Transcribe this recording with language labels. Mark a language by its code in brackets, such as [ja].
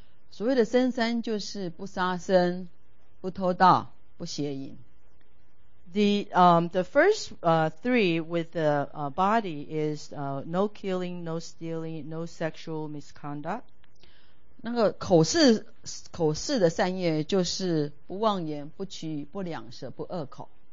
[zh] 所谓的身三就是不杀生、不偷盗、不邪淫。 [en] The first three with the body is no killing, no stealing, no sexual misconduct. [zh] 那个口四的善业就是不妄言、不取语、不两舌、不恶口。